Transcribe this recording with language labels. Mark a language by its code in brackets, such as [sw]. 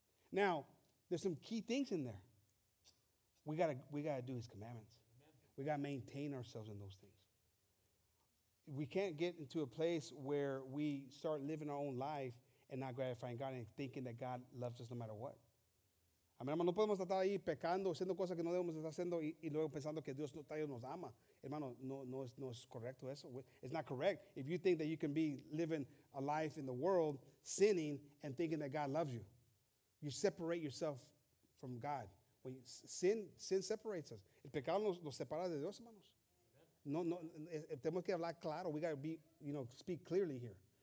[en] Now, there's some key things in there. We gotta do his commandments. We gotta maintain ourselves in those things. We can't get into a place where we start living our own life and not gratifying God and thinking that God loves us no matter what. I mean, [es] no podemos estar ahí pecando, haciendo cosas que no debemos estar haciendo y luego pensando que Dios nos ama. Hermano, no es correcto eso. [en] It's not correct. If you think that you can be living a life in the world, sinning, and thinking that God loves you, you separate yourself from God. When sin separates us. [es] El pecado nos separa de Dios, hermanos. No, tenemos que hablar claro. [en] We got to be, you know, speak clearly here.